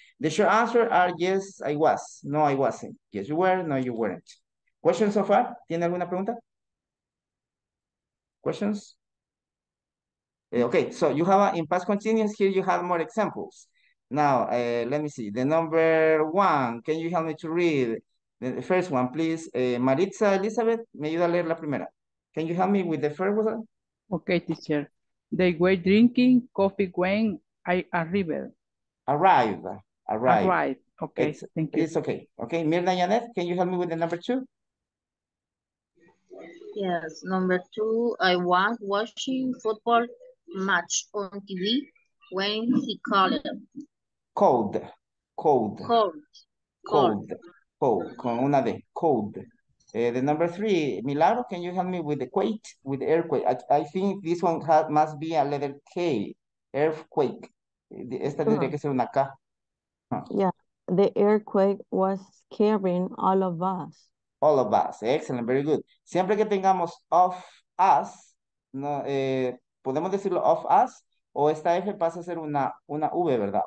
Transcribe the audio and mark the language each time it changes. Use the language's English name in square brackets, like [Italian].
[English] The short answer are yes, I was. No, I wasn't. Yes, you were. No, you weren't. Questions so far? [Spanish] ¿Tiene alguna pregunta? [English] Questions? Okay, so you have in past continuous here, you have more examples. Now, let me see. The number one, can you help me to read the first one, please? [Spanish] Maritza Elizabeth, me ayuda a leer la primera. [English] Can you help me with the first one? Okay, teacher. They were drinking coffee when I arrived. Arrived. Okay, thank you. It's okay. Okay, Mirna Yanet, can you help me with the number two? Yes, number two, I was watching football match on TV when he called. code, code, code, code, con una de code. The number three, Milagro, can you help me with the quake, with the earthquake? I think this one must be a letter K, earthquake. [Spanish] Esta tendría que ser una K. [English] Yeah, the earthquake was scaring all of us. All of us, excellent, very good. [Spanish] Siempre que tengamos [English] of us, [Spanish] no, podemos decirlo of us, o esta F pasa a ser una V, ¿verdad?